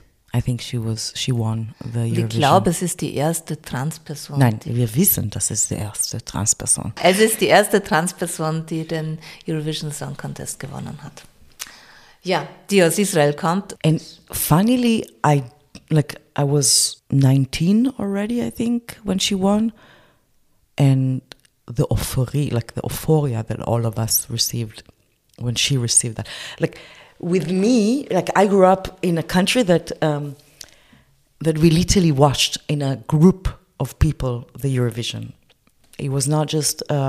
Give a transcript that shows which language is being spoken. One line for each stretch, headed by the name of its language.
English: 1998, I think she won the Eurovision.
German: Ich glaube, es ist die erste Transperson. Nein, wir wissen, das ist die erste Transperson. Es ist die erste Transperson, die den Eurovision Song Contest gewonnen hat. Ja, die aus Israel kommt.
English: And funnily, I was 19 already, I think, when she won. And the euphoria, like the euphoria that all of us received when she received that. Like, with me, like, I grew up in a country that that we literally watched in a group of people the Eurovision. It was not just